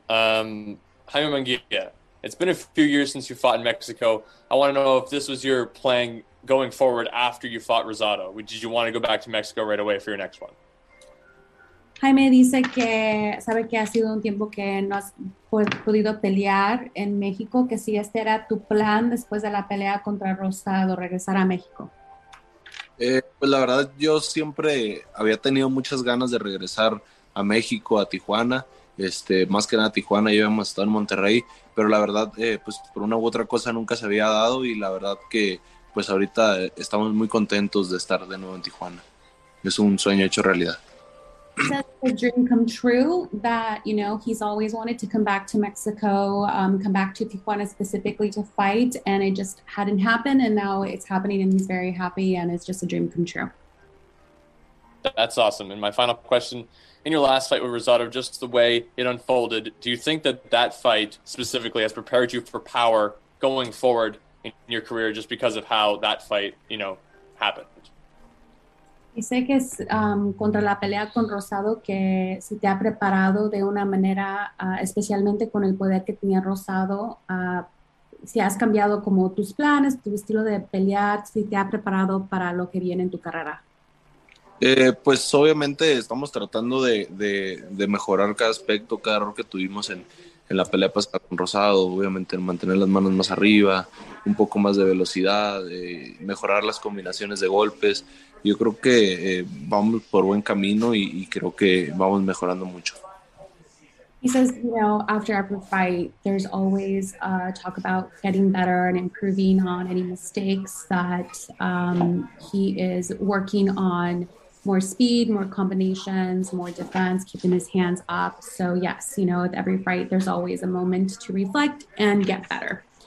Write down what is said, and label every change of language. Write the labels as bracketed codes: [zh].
[en] Jaime Munguia, it's been a few years since you fought in Mexico. I want to know if this was your plan going forward after you fought Rosado. Did you want to go back to Mexico right away for your next one? [es] Jaime dice que sabe que ha sido un tiempo que no has podido pelear en México, que si este era tu plan después de la pelea contra Rosado, regresar a México. Pues la verdad, yo siempre había tenido muchas ganas de regresar a México, a Tijuana, más que nada a Tijuana, yo hemos estado en Monterrey, pero la verdad, pues por una u otra cosa nunca se había dado, y la verdad que pues ahorita estamos muy contentos de estar de nuevo en Tijuana. Es un sueño hecho realidad. [en] Says the dream come true that, he's always wanted to come back to Mexico, come back to Tijuana specifically to fight, and it just hadn't happened, and now it's happening, and he's very happy, and it's just a dream come true. That's awesome. And my final question, in your last fight with Rosado, just the way it unfolded, do you think that that fight specifically has prepared you for power going forward in your career, just because of how that fight, happened? [es] Y sé que es contra la pelea con Rosado que se te ha preparado de una manera, especialmente con el poder que tenía Rosado. Si has cambiado como tus planes, tu estilo de pelear, si te ha preparado para lo que viene en tu carrera. Pues obviamente estamos tratando de mejorar cada aspecto, cada error que tuvimos en la pelea pasada con Rosado. Obviamente mantener las manos más arriba, un poco más de velocidad, mejorar las combinaciones de golpes. Yo creo que vamos por buen camino y creo que vamos mejorando mucho. [en] He says, you know, after every fight, there's always talk about getting better and improving on any mistakes that he is working on. More speed, more combinations, more defense, keeping his hands up. So yes, you know, with every fight, there's always a moment to reflect and get better.